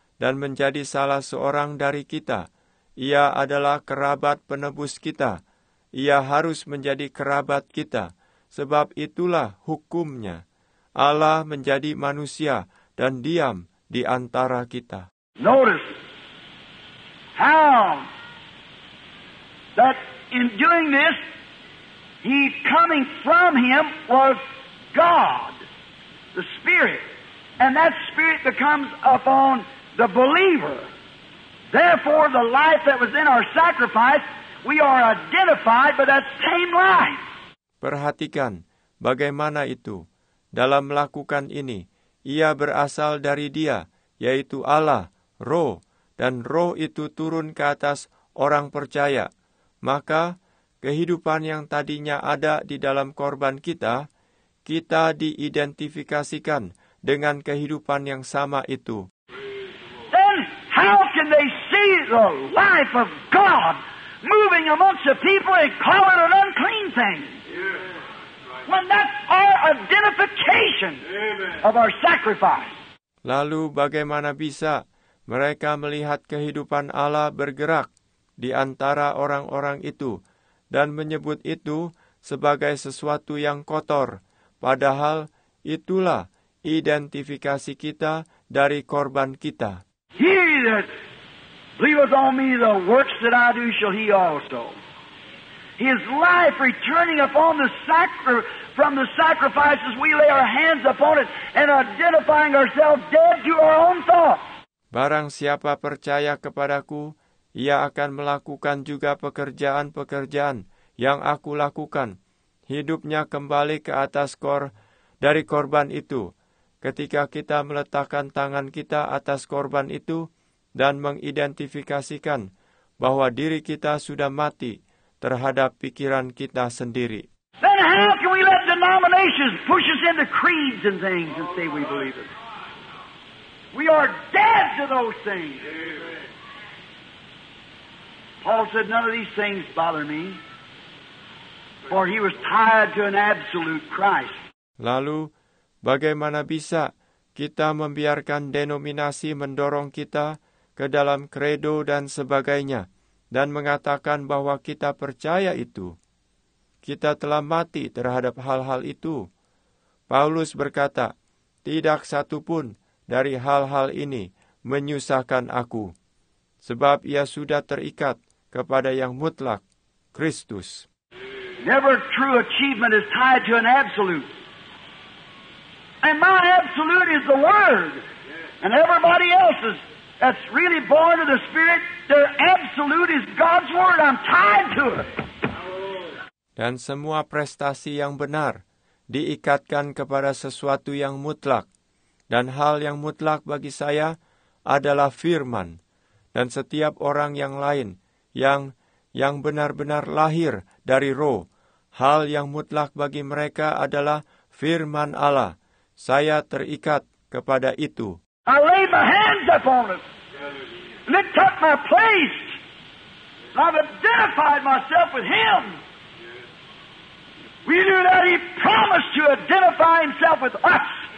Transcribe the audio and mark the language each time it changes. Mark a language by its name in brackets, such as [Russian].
[Indonesian] Dan menjadi salah seorang dari kita. Ia adalah kerabat penebus kita. Ia harus menjadi kerabat kita. Sebab itulah hukumnya. Allah menjadi manusia dan diam di antara kita. [English] Notice how that in doing this, he coming from him was God, the Spirit. And that Spirit becomes upon the believer. Therefore, the life that was in our sacrifice, we are identified by that same life. [Indonesian] Perhatikan bagaimana itu. Dalam melakukan ini, ia berasal dari dia, yaitu Allah, roh, dan roh itu turun ke atas orang percaya. Maka, kehidupan yang tadinya ada di dalam korban kita, kita diidentifikasikan dengan kehidupan yang sama itu. [English] How can they see the life of God moving amongst the people and call it an unclean thing? Yes. Right. When that's our identification. Amen. Of our sacrifice. [Indonesian] Lalu bagaimana bisa mereka melihat kehidupan Allah bergerak di antara orang-orang itu dan menyebut itu sebagai sesuatu yang kotor, padahal itulah identifikasi kita dari korban kita. [English] He that believeth on me, the works that I do shall he also. His life returning upon the from the sacrifices we lay our hands upon it and identifying ourselves dead to our own thoughts. [Indonesian] Barang siapa percaya kepadaku, ia akan melakukan juga pekerjaan-pekerjaan yang aku lakukan. Hidupnya kembali ke atas dari korban itu. Ketika kita meletakkan tangan kita atas korban itu dan mengidentifikasikan bahwa diri kita sudah mati terhadap pikiran kita sendiri. [English] Then how can we let denominations push us into creeds and things and say we believe it? We are dead to those things. Paul said, none of these things bother me. For he was tied to an absolute Christ. [Indonesian] Lalu, bagaimana bisa kita membiarkan denominasi mendorong kita ke dalam credo dan sebagainya, dan mengatakan bahwa kita percaya itu? Kita telah mati terhadap hal-hal itu. Paulus berkata, tidak satu pun dari hal-hal ini menyusahkan aku, sebab ia sudah terikat kepada yang mutlak, Kristus. [English] Never true achievement is tied to an absolute. And my absolute is the Word. And everybody else's that's really born of the Spirit, their absolute is God's Word. I'm tied to it. [Indonesian] Dan semua prestasi yang benar diikatkan kepada sesuatu yang mutlak. Dan hal yang mutlak bagi saya adalah firman. Dan setiap orang yang lain yang benar-benar lahir dari roh, hal yang mutlak bagi mereka adalah firman Allah. Saya terikat kepada itu. [English] I laid my hands upon it. And it took my place. I've identified myself with him. We knew that he promised to identify himself with us.